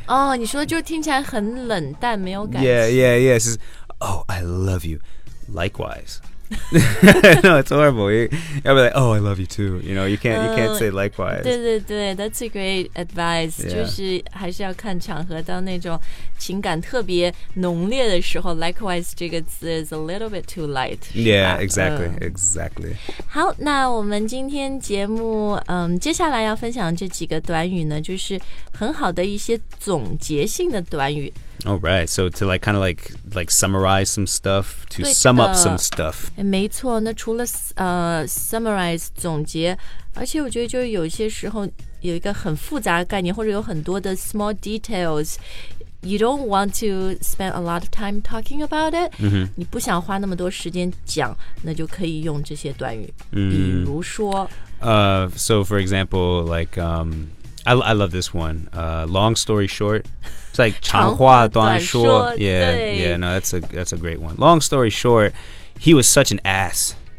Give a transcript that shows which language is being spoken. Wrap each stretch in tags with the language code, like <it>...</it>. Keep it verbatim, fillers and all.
<zh>哦，你说就是听起来很冷淡，没有感情。</zh> <en>Yeah, yeah, yeah. It's just, oh, I love you. Likewise. No, it's horrible. You, I'll be like, oh, I love you too. You know, you can't, you can't say likewise.</en> <zh>对对对</zh> <en>that's a great advice. Yeah.</en> <zh>就是还是要看场合，当那种情感特别浓烈的时候 ，likewise 这个字</zh> <en>is a little bit too light. Yeah,</en> <zh>是吧</zh> <en>exactly,</en> <zh>嗯</zh> <en>exactly.</en> <zh>好，那我们今天节目，嗯，接下来要分享这几个短语呢，就是很好的一些总结性的短语。</zh> <en>All right, so to like kind of like like summarize some stuff, to</en> <zh>对</zh> <en>sum up</en> <zh>的</zh> <en>some stuff.</en> <zh>没错，那除了呃 summarize 总结，而且我觉得就是有些时候有一个很复杂的概念，或者有很多的 small details。</zh> <en>You don't want to spend a lot of time talking about it.</en> <zh>你不想花那么多时间讲，那就可以用这些短语。比如说，</zh> <en>Uh, so for example, like um, I I love this one. Uh, long story short, it's like</en> <zh>长话短说，长话短说</zh> <en>Yeah,</en> <zh>对。</zh> <en>yeah. No, that's a that's a great one. Long story short, he was such an ass.</en>